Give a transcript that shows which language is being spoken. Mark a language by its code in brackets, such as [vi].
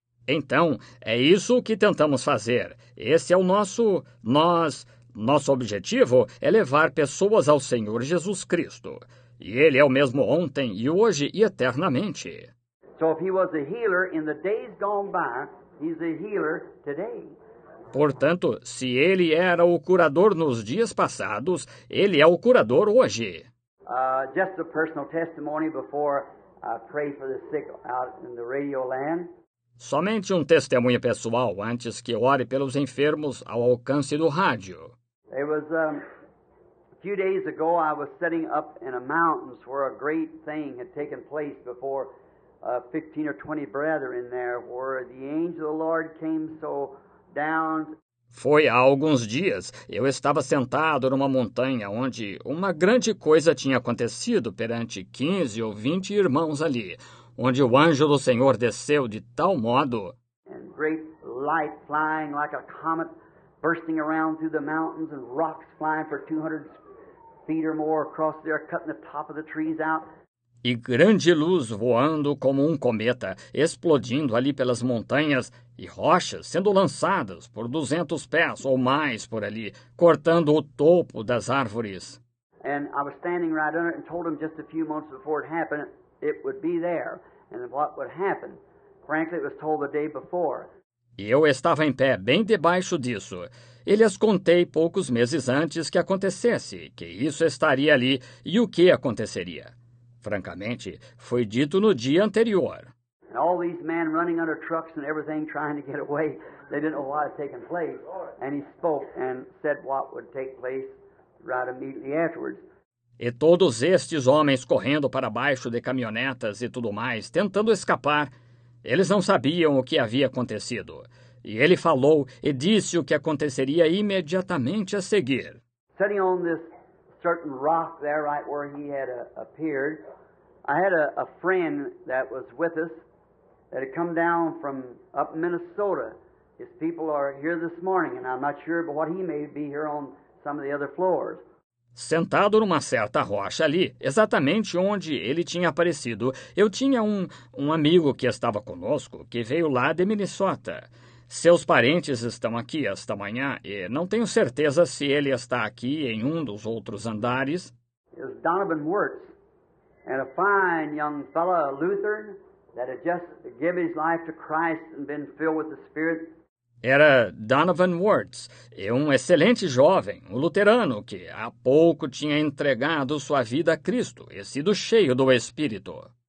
[pt] Então, é isso que tentamos fazer. Esse é o nosso objetivo é levar pessoas ao Senhor Jesus Cristo. E ele é o mesmo ontem e hoje e eternamente. [en] So if he was a healer in the days gone by, he's a healer today. [pt] Portanto, se ele era o curador nos dias passados, ele é o curador hoje. [en] Just a personal testimony before I pray for the sick out in the radio land. [pt] Somente um testemunho pessoal antes que eu ore pelos enfermos ao alcance do rádio. [en] It was a few days ago I was sitting up in a mountains where a great thing had taken place before 15 or 20 brethren there where the angel of the Lord came so down. [pt] Foi há alguns dias. Eu estava sentado numa montanha onde uma grande coisa tinha acontecido perante 15 ou 20 irmãos ali, onde o anjo do Senhor desceu de tal modo. [en] And great light flying like a comet bursting around through the mountains and rocks flying for 200 feet or more across there, cutting the top of the trees out. [pt] E grande luz voando como um cometa, explodindo ali pelas montanhas, e rochas sendo lançadas por 200 pés ou mais por ali, cortando o topo das árvores. [en] And I was standing right under it and told him just a few months before it happened, it would be there. And what would happen? Frankly, it was told the day before. [pt] E eu estava em pé bem debaixo disso. E lhes contei poucos meses antes que acontecesse, que isso estaria ali e o que aconteceria. Francamente, foi dito no dia anterior. [en] And all these men running under trucks and everything trying to get away, they didn't know what had taken place. And he spoke and said what would take place right immediately afterwards. [pt] E todos estes homens correndo para baixo de caminhonetas e tudo mais, tentando escapar, eles não sabiam o que havia acontecido. E ele falou e disse o que aconteceria imediatamente a seguir. [en] Sitting on this certain rock there right where he had appeared, I had a friend that was with us that had come down from up Minnesota. His people are here this morning, and I'm not sure, but what he may be here on some of the other floors. [pt] sentado numa certa rocha ali, exatamente onde ele tinha aparecido. Eu tinha um amigo que estava conosco, que veio lá de Minnesota. Seus parentes estão aqui esta manhã e não tenho certeza se ele está aqui em um dos outros andares. [en] It was Donovan Wirtz, and a fine young fellow, a Lutheran, that had just given his life to Christ and been filled with the Spirit. Era Donovan Wirtz, um excelente jovem, um luterano, que há pouco tinha entregado sua vida a Cristo e sido cheio do Espírito.